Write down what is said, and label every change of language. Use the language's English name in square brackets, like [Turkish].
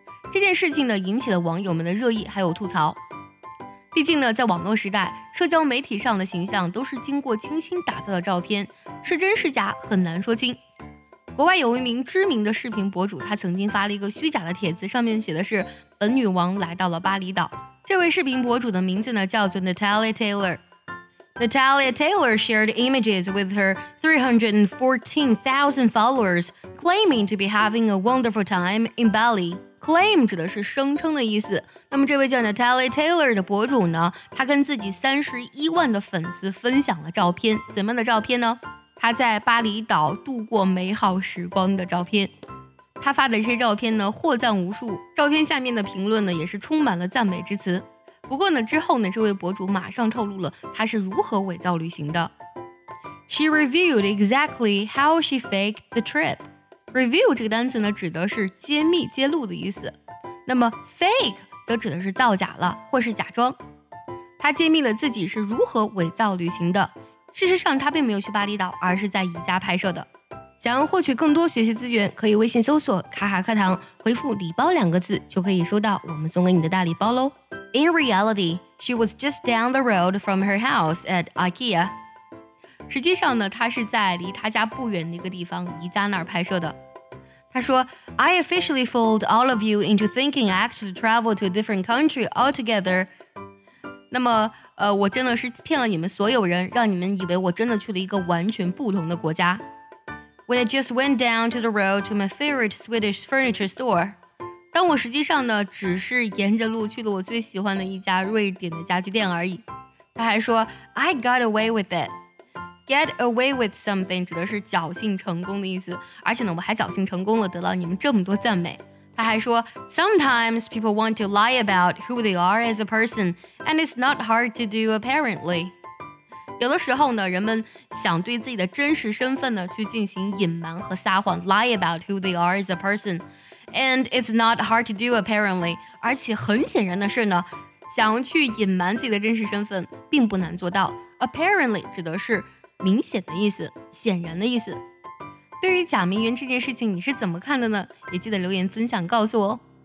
[Chinese] 这件事情呢引起了网友们的热议还有吐槽。毕竟呢在网络时代，社交媒体上的形象都是经过精心打造的照片，是真是假很难说清。国外有一名知名的视频博主，他曾经发了一个虚假的帖子，上面写的是本女王来到了巴厘岛。这位视频博主的名字呢叫做 Natalia Taylor。 [English] Natalia Taylor shared images with her 314,000 followers claiming to be having a wonderful time in Bali。 [Chinese] Claim 指的是声称的意思。那么这位叫 Natalia Taylor 的博主呢，他跟自己310,000的粉丝分享了照片。怎么样的照片呢？他在巴厘岛度过美好时光的照片。他发的这些照片呢获赞无数，照片下面的评论呢也是充满了赞美之词。不过呢之后呢，这位博主马上透露了他是如何伪造旅行的。 [English] She revealed exactly how she faked the trip. [Chinese] Reveal 这个单词呢指的是揭秘揭露的意思，那么 fake 则指的是造假了或是假装。他揭秘了自己是如何伪造旅行的，事实上他并没有去巴厘岛，而是在宜家拍摄的。想要获取更多学习资源，可以微信搜索卡卡课堂，回复礼包两个字就可以收到我们送给你的大礼包咯。 [English] In reality, she was just down the road from her house at IKEA. [Chinese] 实际上呢，她是在离她家不远的一个地方宜家那儿拍摄的。她说 [English] I officially fooled all of you into thinking I actually traveled to a different country altogether. [Chinese] 那么我真的是骗了你们所有人，让你们以为我真的去了一个完全不同的国家。 [English] When I just went down to the road to my favorite Swedish furniture store. [Chinese] 当我实际上呢只是沿着路去了我最喜欢的一家瑞典的家具店而已。他还说 [English] I got away with it. [Chinese] Get away with something 指的是侥幸成功的意思，而且呢我还侥幸成功了得到你们这么多赞美。他还说 [English] Sometimes people want to lie about who they are as a person, and it's not hard to do apparently. [Chinese] 有的时候呢，人们想对自己的真实身份呢去进行隐瞒和撒谎 [English] lie about who they are as a person, and it's not hard to do apparently. [Chinese] 而且很显然的是呢，想去隐瞒自己的真实身份并不难做到。 Apparently 指的是明显的意思，显然的意思。对于假名媛这件事情你是怎么看的呢？也记得留言分享告诉我哦。